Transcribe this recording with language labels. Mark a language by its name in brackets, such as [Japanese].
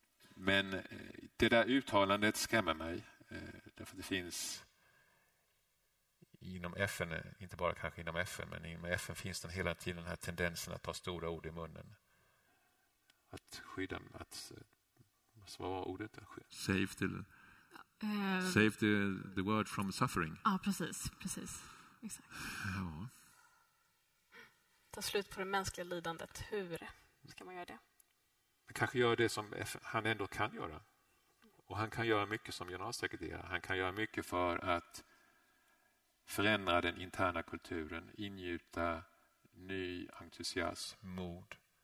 [Swedish] Men det där uttalandet skrämmer mig. Därför att det finns inom FN, inte bara kanske inom FN, men inom FN finns den hela tiden den här tendensen att ta stora ord i munnen. Att skydda, att... Vad var ordet? [English] Save the world from suffering. [Swedish] Ja, precis. Exakt. Ja. Ta slut på det mänskliga lidandet. Hur ska man göra det? Man kanske gör det som han ändå kan göra. Och han kan göra mycket som generalsekreterare. Han kan göra mycket för att förändra den interna kulturen, ingjuta ny entusiasm, mod.